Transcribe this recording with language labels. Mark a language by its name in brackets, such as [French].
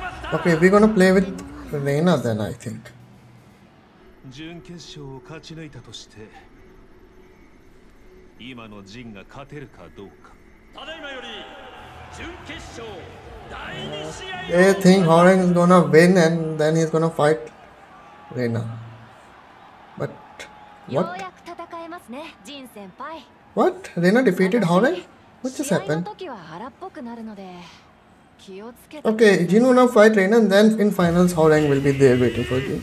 [English] Okay, we're gonna play with Reyna then, I think. [Japanese] 準決勝を勝ち抜いたとして、今のジンが勝てるかどうか。ただいまより準決勝第 2試合。 [English] I think Horan is gonna win and then he's gonna fight Reyna. But what? [Japanese] ようやく戦えますね、ジン先輩。 [English] What? Reyna defeated Horan? What just happened? [Japanese] 試合の時は荒っぽくなるので。 [English] Okay, Jin will now fight Reyna and then in finals, Hao Rang will be there waiting for Jin.